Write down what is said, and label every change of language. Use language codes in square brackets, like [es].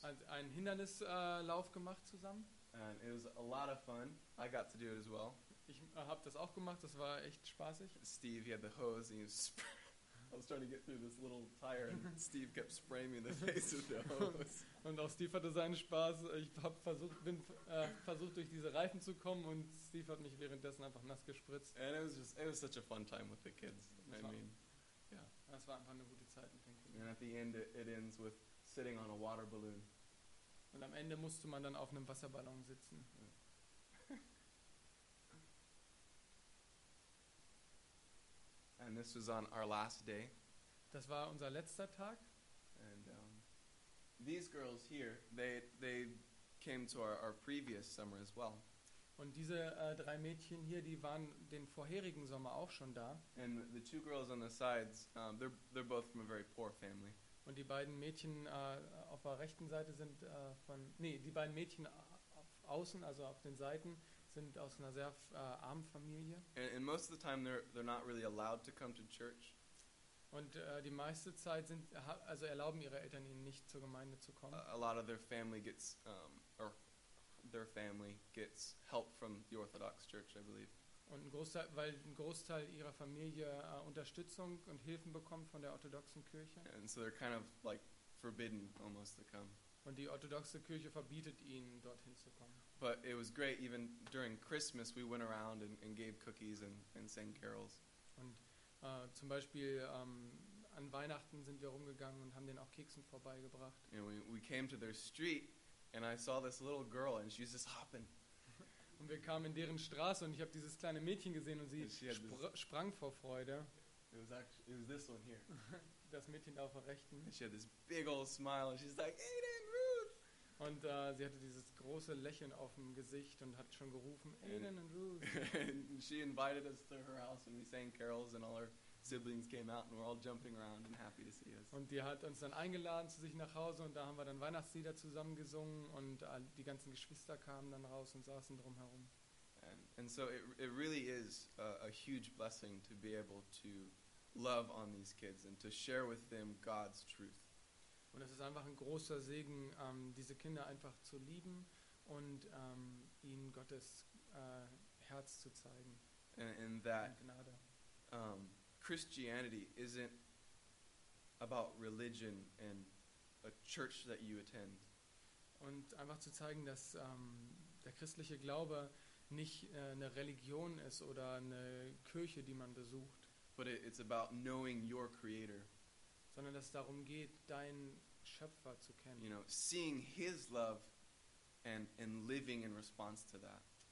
[de] Also einen Hindernislauf gemacht zusammen. [en] And it was a lot of fun. I got to do it as well. [de] Ich habe das auch gemacht. Das war echt spaßig. [en] Steve, he had the hose and he was I was trying to get through this little tire and Steve kept spraying me in the face with the hose. [de] Und auch Steve hatte seinen Spaß. Ich habe versucht durch diese Reifen zu kommen und Steve hat mich währenddessen einfach nass gespritzt. [en] And it was such a fun time with the kids. I mean, yeah. [de] Das war einfach eine gute Zeit, denke ich. [en] And at the end it ends with sitting on a water balloon. [de] Und am Ende musste man dann auf einem Wasserballon sitzen. [en] And this was on our last day. [de] Das war unser letzter Tag. [en] And these girls here, they came to our previous summer as well. [de] Und diese drei Mädchen hier, die waren den vorherigen Sommer auch schon da. [en] And the two girls on the sides, they're both from a very poor family. [de] Und die beiden Mädchen auf der rechten Seite sind die beiden Mädchen auf außen, also auf den Seiten, sind aus einer sehr armen Familie. [en] And most of the time they're not really allowed to come to church. [de] Und die meiste Zeit also erlauben ihre Eltern ihnen nicht zur Gemeinde zu kommen. [en] A lot of their family gets their family gets help from the Orthodox Church, I believe. [de] Und ein Großteil ihrer Familie Unterstützung und Hilfen bekommt von der orthodoxen Kirche. [en] And so they're kind of like forbidden almost to come. [de] Und die orthodoxe Kirche verbietet ihnen dorthin zu kommen. [en] But it was great. Even during Christmas, we went around and gave cookies and sang carols. [de] Und zum Beispiel an Weihnachten sind wir rumgegangen und haben denen auch Keksen vorbeigebracht. [en] And we came to their street, and I saw this little girl, and she was just hopping. [de] Und wir kamen in deren Straße, und ich habe dieses kleine Mädchen gesehen, und sie sprang vor Freude. [en] It was this one here. [de] Das Mädchen auf der rechten. [en] And she had this big old smile, and she's like, Aiden, Ruth! [de] Und sie hatte dieses große Lächeln auf dem Gesicht und hat schon gerufen, Aiden and Ruth. [en] And she invited us to her house and we sang carols and all our siblings came out and were all jumping around and happy to see us. [de] Und die hat uns dann eingeladen zu sich nach Hause und da haben wir dann Weihnachtslieder zusammen gesungen und die ganzen Geschwister kamen dann raus und saßen drumherum. [en] And so it really is a huge blessing to be able to love on these kids and to share with them God's truth. [de] Und es ist einfach ein großer Segen, diese Kinder einfach zu lieben und ihnen Gottes Herz zu zeigen. [en] And that Gnade. Christianity isn't about religion and a church that you attend. [de] Und einfach zu zeigen, dass der christliche Glaube nicht eine Religion ist oder eine Kirche, die man besucht. [en] But it's about knowing your Creator. [de] Sondern dass es darum geht, deinen Schöpfer zu kennen. [en] You know, seeing his love and living in response to that.